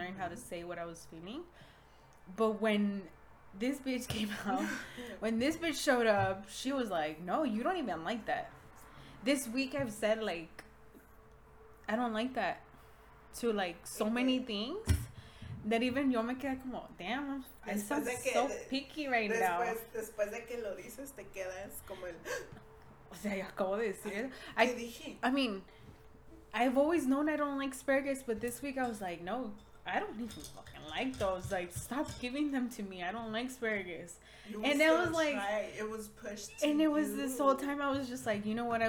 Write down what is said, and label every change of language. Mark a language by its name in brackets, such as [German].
[English] learn how to say what I was feeling. But when this bitch came out, when this bitch showed up, she was like, no, you don't even like that. This week I've said, like, I don't like that to, like, so many things that even [Spanish] yo me quedé como, [English] damn, I sound [Spanish] de que, [English] so picky right [Spanish] después, [English] now. [Spanish] Después de que lo dices, te quedas como el... O sea, yo acabo de decir. [English] I mean, I've always known I don't like asparagus, but this week I was like, no, I don't even fucking like those. Like, stop giving them to me. I don't like asparagus. And it was like, it was pushed. And it was this whole time I was just like, you know what?